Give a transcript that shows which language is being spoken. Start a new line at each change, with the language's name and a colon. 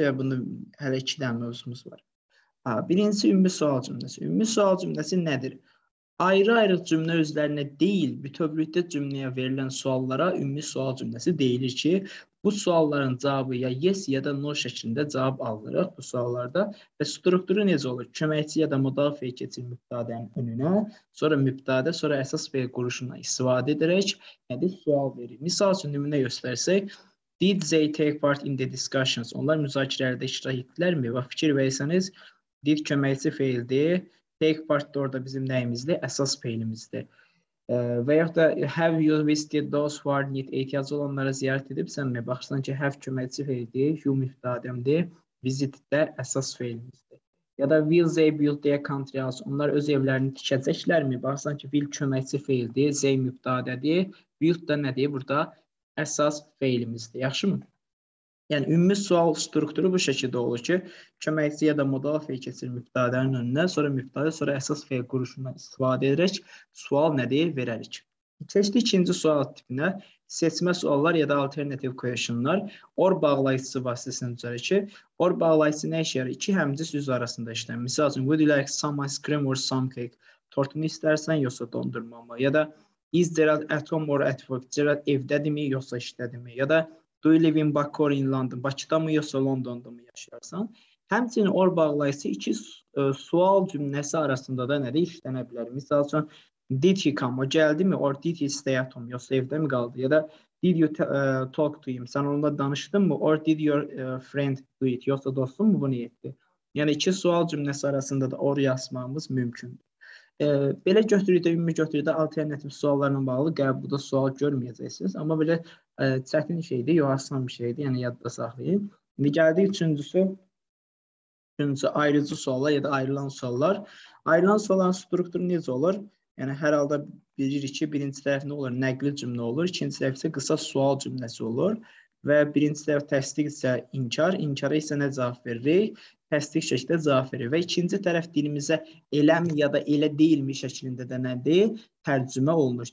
Azerbaijani: Ya bunu hələ 2 dənə mövzumuz var. Aha, birincisi ümumi sual cümlesi. Ümumi sual cümlesi nedir? Ayrı-ayrı cümle üzerine değil, bütövlükdə cümleye verilen suallara ümumi sual cümlesi deyilir ki, bu sualların cevabı ya yes ya da no şeklinde cevap alırıq bu suallarda ve strukturu necə olur? Köməkçi ya da müdafiə keçir mübtədənin önünə, sonra mübtədə, sonra əsas və quruşuna istifadə edərək yəni sual verir. Misal üçün nümunə göstərsək,
English: did they take part in the discussions?
Azerbaijani: Onlar müzakirələrdə iştirak etdilər mi? Və fikir verirsəniz, did köməkçi feildir. Take part orada bizim neyimizdir? Əsas feilimizdir. Veya da
English: have you visited those who are need
Azerbaijani: ehtiyac olanlara ziyaret edib sən mi? Baxırsan ki have köməkçi feildir, you müftadəmdir, visit də əsas feilimizdir. Ya da
English: will they build their country house?
Azerbaijani: Onlar öz evlərini tikəcəklər mi? Baxırsan ki will köməkçi feildir, they müftadədir, build da nədir? Burada əsas feilimizdir. Yaxşı mı? Yəni, ümumi sual strukturu bu şekilde olur ki, köməkçi ya da modal fey keçir müftadənin önünə, sonra müftadə, sonra əsas fey quruşundan istifadə edərək sual nədir verərik. Keçdi ikinci sual tipinə, seçmə suallar ya da alternative questionlar, or bağlayıcısı vasitəsindən düzəlir ki, or bağlayıcısı nə işe yarar? İki həmci söz arasında işləyir. Misal üçün,
English: would you like some ice cream or some cake?
Azerbaijani: Tortunu istərsən, yoxsa dondurma mı? Ya da,
English: is Gerald at home or at work?
Azerbaijani: Gerald evdədir mi, yoxsa işlədir mi? Ya da,
English: do you live in Bakı or in London?
Azerbaijani: Bakıda mı yoxsa Londonda mı yaşayarsan? Həmçinin or bağlayısı iki sual cümləsi arasında da nədir işlənə bilər? Misal üçün,
English: did he come?
Azerbaijani: O gəldi mi?
English: Or did he stay at home?
Azerbaijani: Yoxsa evdə mi qaldı? Ya da
English: did you talk to him?
Azerbaijani: Sən onunla danışdın mı?
English: Or did your friend do it?
Azerbaijani: Yoxsa dostun mu bunu etdi? Yəni iki sual cümləsi arasında da or yazmamız mümkündür. Belə götürüldü, ümumi götürüldü, alternativ suallarla bağlı qəbulda sual görməyəcəksiniz. Amma belə çətin şeydir, yox asan bir şeydir, yəni yadda saxlayın. İndi gəldik üçüncüsü ayrıcı suallar ya da ayrılan suallar. Ayrılan sualların strukturu necə olur? Yəni hər halda bilirik ki, birinci tərəf nə olur? Nəqli cümlə olur, ikinci tərəf isə qısa sual cümləsi olur. Və birinci tərəf təsdiq isə inkar, inkara isə nə cavab veririk? Təsdiq şəklində cavab verir. Və ikinci tərəf dilimizə eləmi ya da elə deyilmi şəklində də nədir? Tərcümə olunur.